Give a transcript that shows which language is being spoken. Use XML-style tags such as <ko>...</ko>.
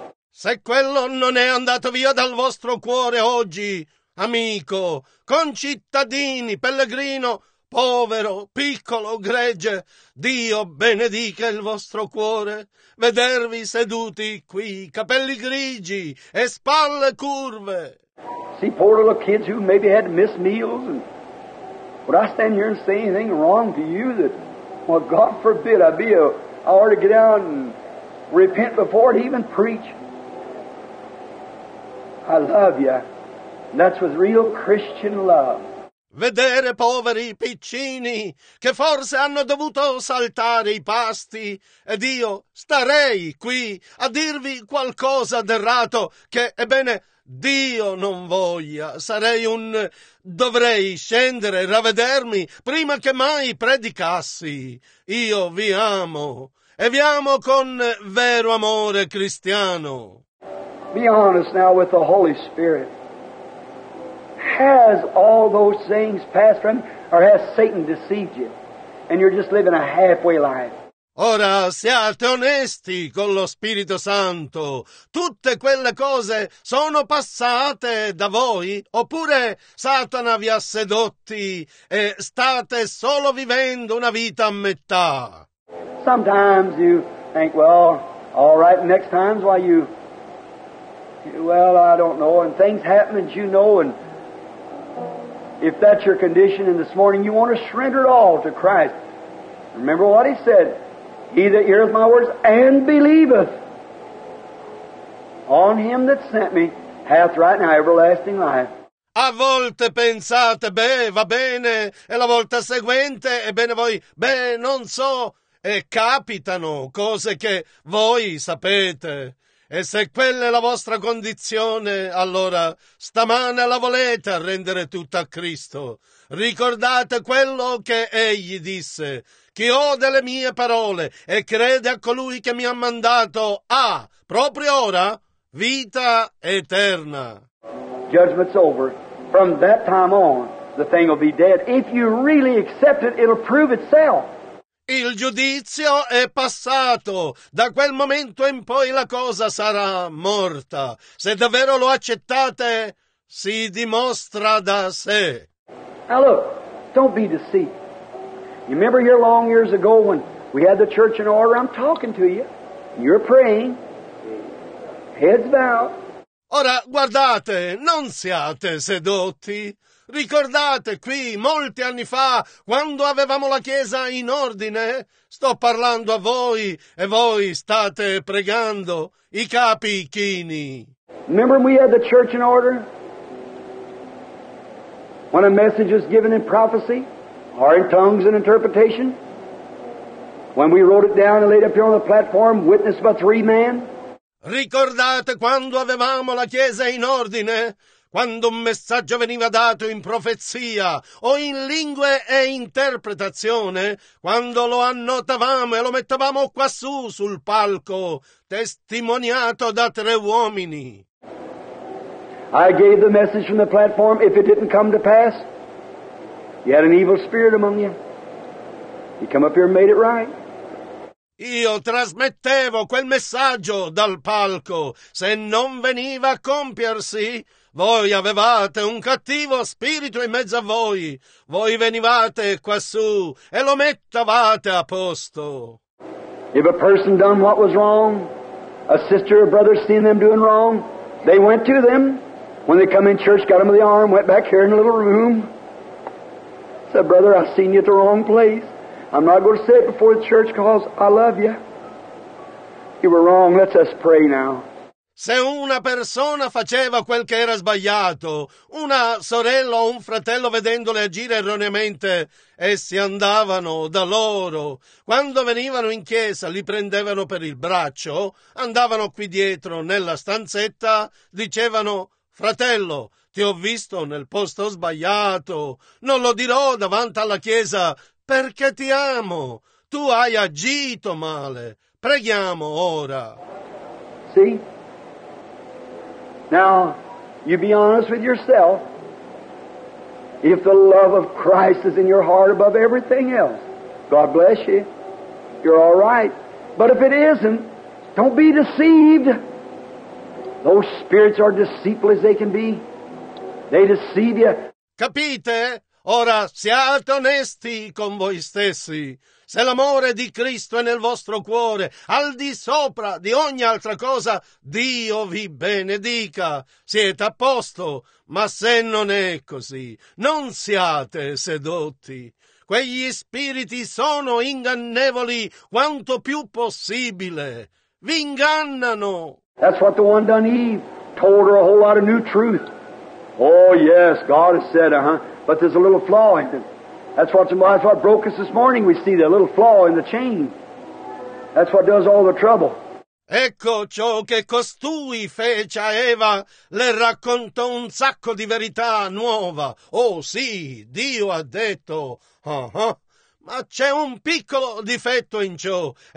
<it>Se quello non è andato via dal vostro cuore oggi, amico, concittadini, pellegrino, povero, piccolo, gregge, Dio benedica il vostro cuore. Vedervi seduti qui, capelli grigi e spalle curve.</it> <en>See, poor little kids who maybe had missed meals. And would I stand here and say anything wrong to you that, well, God forbid, I ought to get down and repent before I even preach. I love you. And that's with real Christian love.</en> <it>Vedere poveri piccini che forse hanno dovuto saltare i pasti ed io starei qui a dirvi qualcosa d'errato che, ebbene, Dio non voglia. Sarei un... dovrei scendere e ravvedermi prima che mai predicassi. Io vi amo e vi amo con vero amore cristiano.</it> <en>Be honest now with the Holy Spirit. Has all those things passed from you, or has Satan deceived you, and you're just living a halfway life?</en> <it>Ora siate onesti con lo Spirito Santo. Tutte quelle cose sono passate da voi, oppure Satana vi ha sedotti e state solo vivendo una vita a metà?</it> <en>Sometimes you think, well, all right, next time's why you... Well, I don't know, and things happen, as you know, and... If that's your condition and this morning you want to surrender it all to Christ, remember what he said, he that heareth my words and believeth on him that sent me hath right now everlasting life.</en> <it>A volte pensate, beh, va bene, e la volta seguente, ebbene voi, beh, non so, e capitano cose che voi sapete. E se quella è la vostra condizione, allora stamane la volete arrendere tutta a Cristo. Ricordate quello che Egli disse. Chi ode le mie parole e crede a colui che mi ha mandato ha, proprio ora, vita eterna.</it> <en>Judgment's over. From that time on, the thing will be dead. If you really accept it, it'll prove itself.</en> <it>Il giudizio è passato, da quel momento in poi la cosa sarà morta. Se davvero lo accettate, si dimostra da sé.</it> <en>Now look, don't be deceived. You remember here long years ago when we had the church in order, I'm talking to you, you're praying, heads bowed.</en> <it>Ora guardate, non siate sedotti. Ricordate qui, molti anni fa, quando avevamo la Chiesa in ordine? Sto parlando a voi e voi state pregando i capi chini.</it> <en>Remember when we had the church in order? When a message is given in prophecy, or in tongues and interpretation? When we wrote it down and laid up here on the platform, witnessed by three men?</en> <it>Ricordate quando avevamo la Chiesa in ordine? Quando un messaggio veniva dato in profezia o in lingue e interpretazione, quando lo annotavamo e lo mettevamo quassù sul palco, testimoniato da tre uomini.</it> <en>I gave the message from the platform. If it didn't come to pass, you had an evil spirit among you. You come up here and made it right.</en> <it>Io trasmettevo quel messaggio dal palco. Se non veniva a compiersi, voi avevate un cattivo spirito in mezzo a voi. Voi venivate quassù e lo mettevate a posto.</it> <en>If a person done what was wrong, a sister or brother seen them doing wrong, they went to them. When they come in church, got them in the arm, went back here in a little room. Said, brother, I seen you at the wrong place. I'm not going to say it before the church because I love you. You were wrong. Let's us pray now.</en> <it>Se una persona faceva quel che era sbagliato, una sorella o un fratello vedendole agire erroneamente, essi andavano da loro. Quando venivano in chiesa, li prendevano per il braccio, andavano qui dietro nella stanzetta, dicevano, fratello, ti ho visto nel posto sbagliato, non lo dirò davanti alla chiesa perché ti amo, tu hai agito male, preghiamo ora. Sì?</it> <en>Now, you be honest with yourself. If the love of Christ is in your heart above everything else, God bless you. You're all right. But if it isn't, don't be deceived. Those spirits are deceitful as they can be. They deceive you.</en> <it>Capite? Ora siate onesti con voi stessi. Se l'amore di Cristo è nel vostro cuore, al di sopra di ogni altra cosa, Dio vi benedica. Siete a posto, ma se non è così, non siate sedotti. Quegli spiriti sono ingannevoli quanto più possibile. Vi ingannano.</it> <en>That's what the one done Eve told her a whole lot of new truth. Oh yes, God has said, but there's a little flaw in it. That's what broke us this morning, we see that little flaw in the chain. That's what does all the trouble.</en> <it>Ecco ciò che costui fece a Eva, le raccontò un sacco di verità nuova. Oh sì, Dio ha detto, ma c'è un piccolo difetto in ciò.</it>